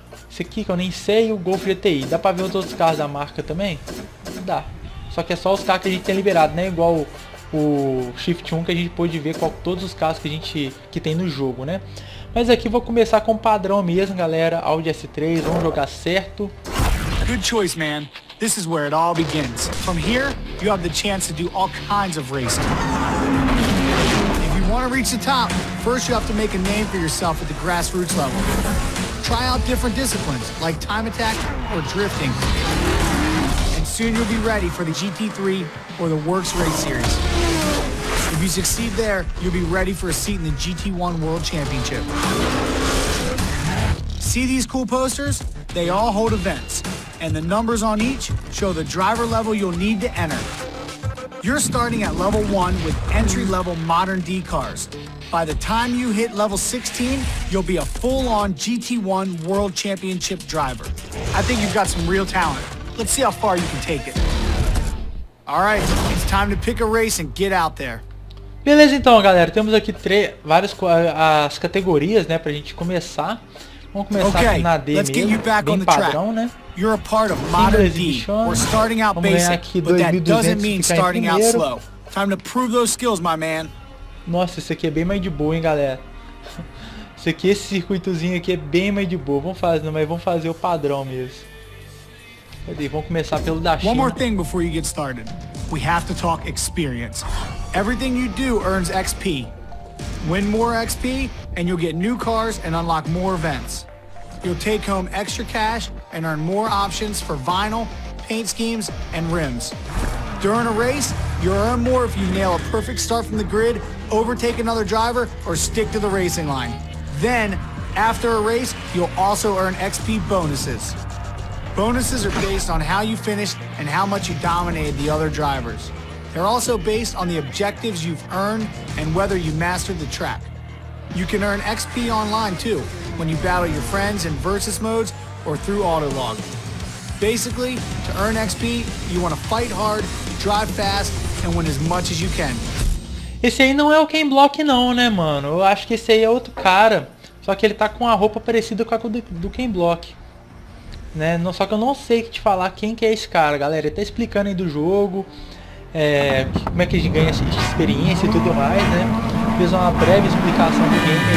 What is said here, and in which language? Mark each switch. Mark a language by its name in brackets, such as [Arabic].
[Portuguese] Esse aqui que eu nem sei, o Golf GTI. Dá pra ver os outros carros da marca também? Dá. Só que é só os carros que a gente tem liberado, né? Igual o Shift 1 que a gente pôde ver qual, todos os carros que a gente que tem no jogo, né? Mas aqui vou começar com o padrão mesmo, galera. Audi S3, vamos jogar certo. [English] Good choice, man. This is where it all begins. From here, you have the chance to do all kinds of racing. If you want to reach the top, first you have to make a name for yourself at the grassroots level. Try out different disciplines, like time attack or drifting. And soon you'll be ready for the GT3 or the Works Race Series. If you succeed there, you'll be ready for a seat in the GT1 World Championship. See these cool posters? They all hold events. And the numbers on each show the driver level you'll need to enter. You're starting at level 1 with entry-level modern D cars. By the time you hit level 16, you'll be a full-on GT1 World Championship driver. I think you've got some real talent. Let's see how far you can take it. All right, it's time to pick a race and get out there. [Portuguese] Beleza então, galera. Temos aqui várias as categorias, né, pra gente começar. Vamos começar aqui na D mesmo, bem padrão, né? [English] You're a part of modern D. We're starting out basic, but that doesn't mean starting out slow. Time to prove those skills, my man. [Portuguese] Nossa, esse aqui é bem mais de boa, hein, galera. Esse aqui, esse circuitozinho aqui é bem mais de boa. Vamos fazer, mas vamos fazer o padrão mesmo. Cadê? Vamos começar pelo da China. [English] One more thing before you get started. We have to talk experience. Everything you do earns XP. Win more XP and you'll get new cars and unlock more events. You'll take home extra cash and earn more options for vinyl, paint schemes, and rims. During a race, you'll earn more if you nail a perfect start from the grid, overtake another driver, or stick to the racing line. Then, after a race, you'll also earn XP bonuses. Bonuses are based on how you finished and how much you dominated the other drivers. They're also based on the objectives you've earned and whether you mastered the track. You can earn XP online too, when you battle your friends in versus modes or through Autolog. Basically, to earn XP, you want to fight hard, drive fast, and win as much as you can. [Portuguese] Esse aí não é o Ken Block não, né, mano? Eu acho que esse aí é outro cara. Só que ele tá com a roupa parecida com a do Ken Block. Né? Só que eu não sei te falar quem que é esse cara, galera. Ele tá explicando aí do jogo. Como é que a gente ganha essa experiência e tudo mais, né? Fez uma breve explicação do game.